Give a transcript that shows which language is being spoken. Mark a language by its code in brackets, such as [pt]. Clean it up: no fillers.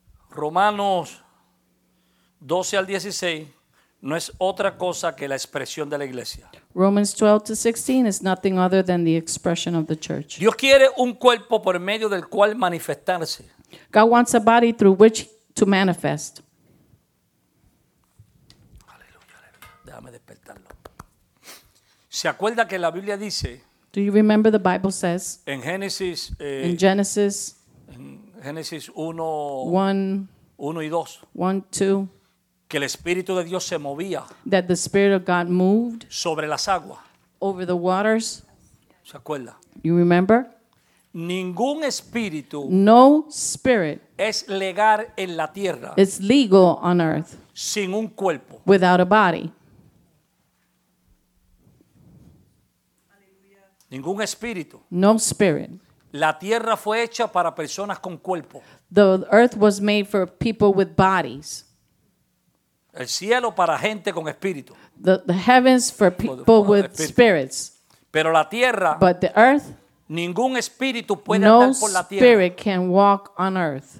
[es] Romanos 12 al 16 no es otra cosa que la expresión de la iglesia. [en] Romans 12 to 16 is nothing other than the expression of the church. [es] Dios quiere un cuerpo por medio del cual manifestarse. [en] God wants a body through which to manifest. [es] Aleluya, aleluya. Déjame despertarlo. ¿Se acuerda que la Biblia dice? [en] Do you remember the Bible says in Genesis, in Genesis [es] Génesis 1:1-2. Que el Espíritu de Dios se movía. [en] That the Spirit of God moved. [es] Sobre las aguas. [en] Over the waters. [es] ¿Se acuerda? [en] You remember? [es] Ningún espíritu. [en] No spirit. [es] Es legal en la tierra. [en] It's legal on earth. [es] Sin un cuerpo. [en] Without a body. [es] Ningún espíritu. [en] No spirit. [es] La tierra fue hecha para personas con cuerpo. [en] The earth was made for people with bodies. [es] El cielo para gente con espíritu. [en] The heavens for people with spirits. [es] Pero la tierra. [en] But the earth. [es] Ningún espíritu puede andar por la tierra. [en] No spirit can walk on earth.